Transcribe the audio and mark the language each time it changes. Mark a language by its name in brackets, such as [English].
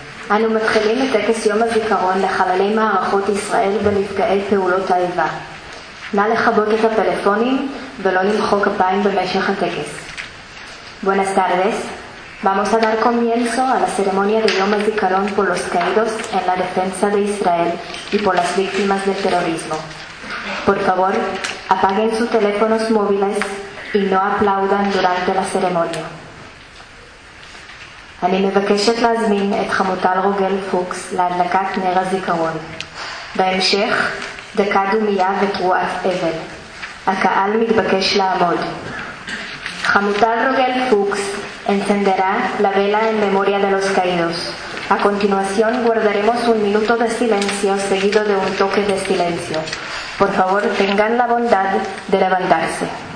[Hebrew] אנו מתחילים את טקס יום הזיכרון לחללי מערכות ישראל ונפגעי פעולות האיבה. נא לכבות את הפלאפונים ולא למחוא כפיים במשך הטקס. [Spanish] Buenas tardes. Vamos a dar comienzo a la ceremonia de Yom HaZikaron por los caídos en la defensa de Israel y por las víctimas del terrorismo. Por favor, apaguen sus teléfonos móviles y no aplaudan durante la ceremonia. [Hebrew] אני מבקשת להזמין את חמוטל רוגל פוקס להדלקת נר הזיכרון. בהמשך, דקה דומיה ותרועת אבל. הקהל מתבקש לעמוד. [Spanish] חמוטל רוגל פוקס encenderá la vela en memoria de los caídos. A continuación, guardaremos un minuto de silencio seguido de un toque de silencio. Por favor, tengan la bondad de levantarse.